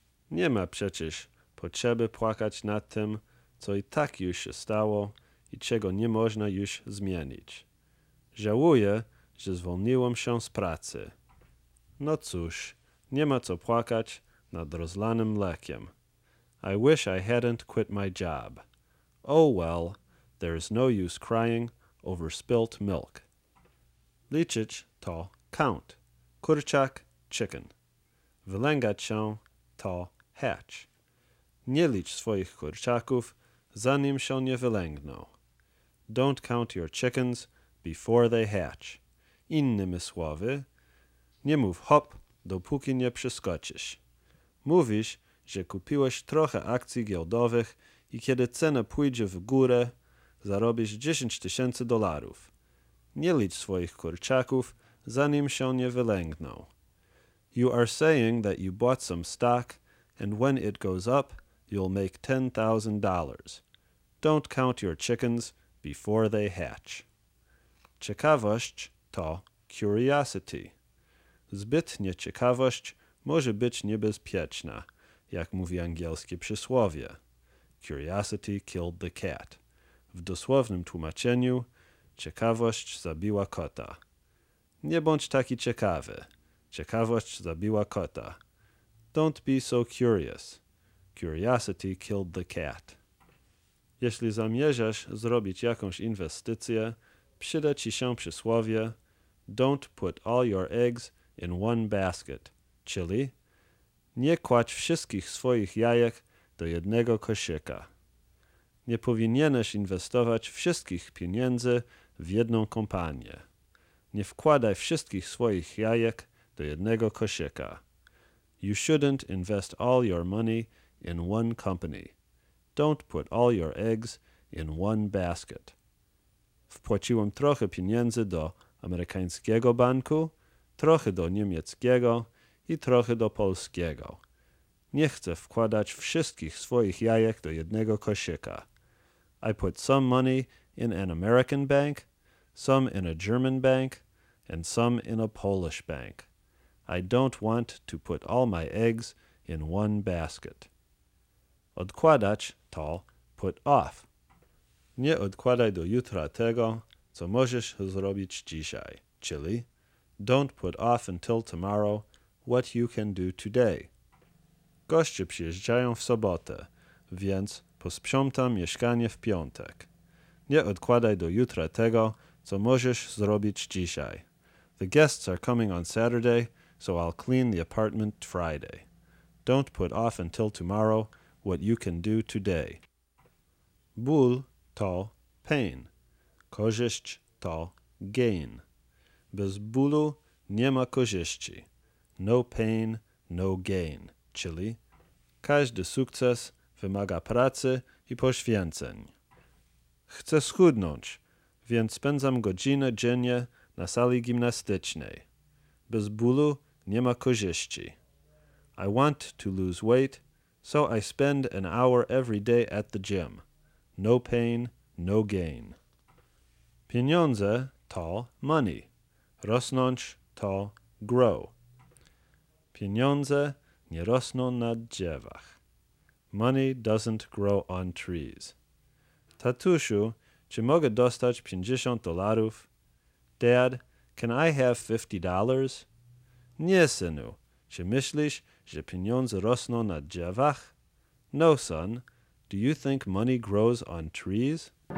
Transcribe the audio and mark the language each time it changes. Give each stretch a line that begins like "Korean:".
Polish: Nie ma przecież potrzeby płakać nad tym, co i tak już się stało i czego nie można już zmienić. Żałuję, że zwolniłam się z pracy. No cóż, nie ma co płakać nad rozlanym mlekiem.
English: I wish I hadn't quit my job. Oh well, there is no use crying over spilt milk.
Polish: Liczyć
English: to count.
Polish: Kurczak, chicken. Wylęgać się
English: to hatch.
Polish: Nie licz swoich kurczaków, zanim się nie wylęgną.
English: Don't count your chickens before they hatch.
Polish: Innymi słowy, nie mów hop, dopóki nie przeskoczysz. Mówisz, że kupiłeś trochę akcji giełdowych i kiedy cena pójdzie w górę, zarobisz 10 tysięcy dolarów. Nie licz swoich kurczaków, zanim się nie wylęgną.
English: You are saying that you bought some stock, and when it goes up, you'll make $10,000. Don't count your chickens before they hatch.
Polish: Ciekawość to curiosity. Zbytnia ciekawość może być niebezpieczna, jak mówi angielskie przysłowie.
English: Curiosity killed the cat.
Polish: W dosłownym tłumaczeniu, ciekawość zabiła kota. Nie bądź taki ciekawy. Ciekawość zabiła kota.
English: Don't be so curious. Curiosity killed the cat.
Polish: Jeśli zamierzasz zrobić jakąś inwestycję, przyda ci się przysłowie
English: Don't put all your eggs in one basket,
Polish: czyli nie kładź wszystkich swoich jajek do jednego koszyka. Nie powinieneś inwestować wszystkich pieniędzy w jedną kompanię. Nie wkładaj wszystkich swoich jajek do jednego koszyka.
English: You shouldn't invest all your money in one company. Don't put all your eggs in one basket.
Polish: Wpłaciłem trochę pieniędzy do amerykańskiego banku, trochę do niemieckiego i trochę do polskiego. Nie chcę wkładać wszystkich swoich jajek do jednego koszyka.
English: I put some money in an American bank, some in a German bank, and some in a Polish bank. I don't want to put all my eggs in one basket.
Polish: Odkładać
English: to put off.
Polish: Nie odkładaj do jutra tego, co możesz zrobić dzisiaj, czyli
English: don't put off until tomorrow what you can do today.
Polish: Goście przyjeżdżają w sobotę, więc posprzątam mieszkanie w piątek. Nie odkładaj do jutra tego, co możesz zrobić dzisiaj.
English: The guests are coming on Saturday, so I'll clean the apartment Friday. Don't put off until tomorrow what you can do today.
Polish: Ból to pain. Korzyść to gain. Bez bólu nie ma korzyści.
English: No pain, no gain.
Polish: Czyli każdy sukces wymaga pracy i poświęceń. Chcę schudnąć, więc spędzam godzinę dziennie na sali gimnastycznej. Bez bólu nie ma korzyści.
English: I want to lose weight, so I spend an hour every day at the gym. No pain, no gain.
Polish: Pieniądze to
English: money.
Polish: Rosnąć
English: to grow.
Polish: Pieniądze nie rosną na drzewach.
English: Money doesn't grow on trees.
Polish: Tatusiu, czy mogę dostać $50?
English: Dad, can I have $50?
Polish: Nie, synu. Czy myślisz, że pieniądze rosną na drzewach?
English: No, son. Do you think money grows on trees?